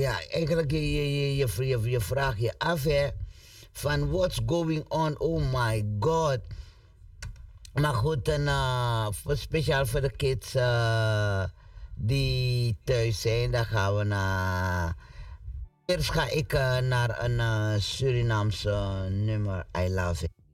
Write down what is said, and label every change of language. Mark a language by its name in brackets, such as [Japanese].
[Dutch] Eigenlijk je vraagt je af, hè. [English] Van what's going on, oh my god. [Dutch] Maar goed, speciaal voor de kids die thuis zijn, dan gaan we naar... Eerst ga ik naar een Surinaamse nummer, [English] I love it.